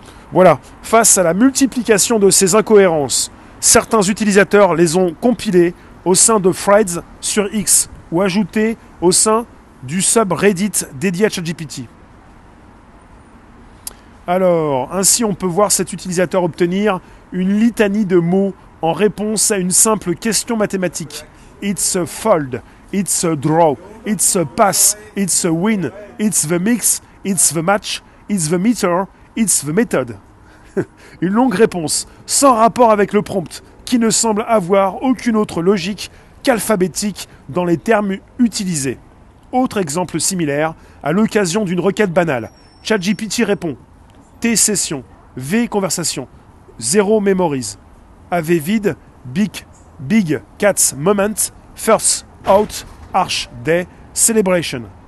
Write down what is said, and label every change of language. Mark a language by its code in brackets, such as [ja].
[fr] Voilà, face à la multiplication de ces incohérences, certains utilisateurs les ont compilés au sein de Threads sur X ou ajoutés au sein du subreddit dédié à ChatGPT. Alors, ainsi on peut voir cet utilisateur obtenir une litanie de mots en réponse à une simple question mathématique. [en] It's a fold, it's a draw, it's a pass, it's a win, it's the mix, it's the match, it's the meter, it's the method. [fr] Une longue réponse, sans rapport avec le prompt, qui ne semble avoir aucune autre logique qu'alphabétique dans les termes utilisés. Autre exemple similaire, à l'occasion d'une requête banale. ChatGPT répond, [en] T session, V conversation, 0 memories, AV vide, big cats moment, first out, arch day, celebration.